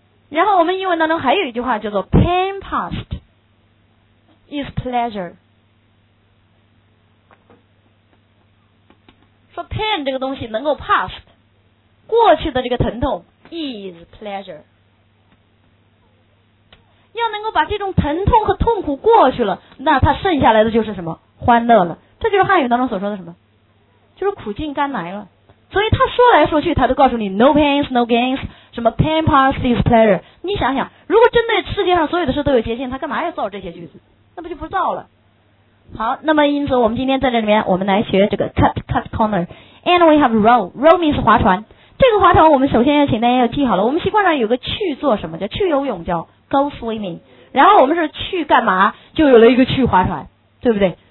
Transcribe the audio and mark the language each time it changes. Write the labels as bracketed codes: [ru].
[zh] 然后我们英文当中还有一句话叫做 [en] pain past is pleasure， [zh] 说 pain 这个东西能够 past 过去的这个疼痛 is pleasure， 要能够把这种疼痛和痛苦过去了，那它剩下来的就是什么？欢乐了。这就是汉语当中所说的什么？就是苦尽甘来了。所以他说来说去他都告诉你 [en] no pains no gains， [zh] 什么 [en] pain past is pleasure。 [zh] 你想想，如果真的世界上所有的事都有捷径，他干嘛要造这些句子？那不就不造了。好，那么因此我们今天在这里面我们来学这个 [en] cut corner。 And we have row， row means [zh] 划船。这个划船我们首先要请大家要记好了，我们习惯上有个去做什么，叫去游泳叫 [en] go swimming， [zh] 然后我们是去干嘛，就有了一个去划船，对不对？